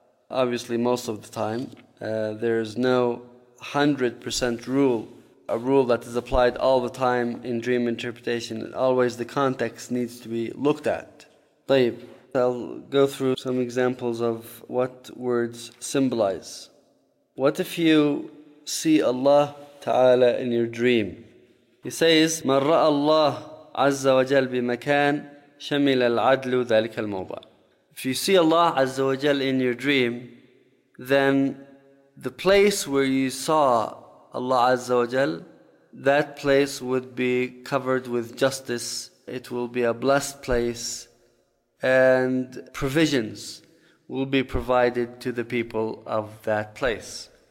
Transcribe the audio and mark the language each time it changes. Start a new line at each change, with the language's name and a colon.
English: Obviously, most of the time, there is no 100% rule, a rule that is applied all the time in dream interpretation. Always the context needs to be looked at.
Arabic: طيب.
English: I'll go through some examples of what words symbolize. What if you see Allah Ta'ala in your dream? He says,
Arabic: مَنْ رَأَ اللَّهُ عَزَّ وَجَلْ بِمَكَانْ شَمِلَ الْعَدْلُ ذَلِكَ الْمَوْضَعِ.
English: If you see Allah Azza wa Jal in your dream, then the place where you saw Allah Azza wa Jal, that place would be covered with justice. It will be a blessed place, and provisions will be provided to the people of that place.